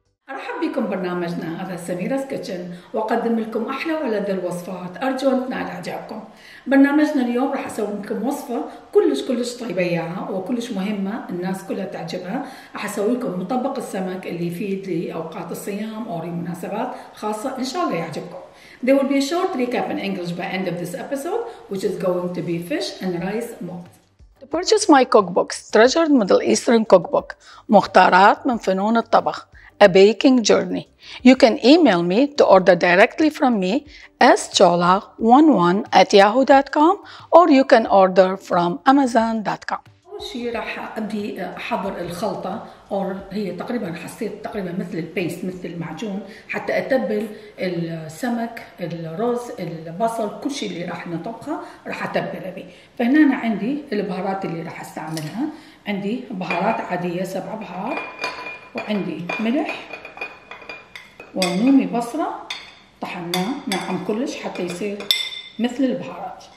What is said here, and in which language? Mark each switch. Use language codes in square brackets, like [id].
[ar] أرحب بكم برنامجنا هذا سميرة سكتشن وأقدم لكم أحلى ولذ الوصفات، أرجو أن تنال إعجابكم. برنامجنا اليوم راح أسوي لكم وصفة كلش طيبة إياها وكلش مهمة الناس كلها تعجبها. راح أسوي لكم مطبق السمك اللي يفيد لأوقات الصيام أو لمناسبات خاصة، إن شاء الله يعجبكم. [en] There will be a short recap in English by end of this episode, which is going to be fish and rice mocked. Purchase my cookbooks, Treasured Middle Eastern Cookbook. مختارات من فنون الطبخ. A baking journey. You can email me to order directly from me, schola11@yahoo.com, or you can order from amazon.com. [ar] شيء راح أبدي أحضر الخلطة، أو هي تقريبا حسيت تقريبا مثل البيست مثل المعجون، حتى أتبل السمك الرز البصل كل شيء اللي راح نطبخه راح أتبله به. فهنا أنا عندي البهارات اللي راح أستعملها، عندي بهارات عادية 7 بهار، وعندي ملح ونومي بصرة طحناه ناعم كلش حتى يصير مثل البهارات.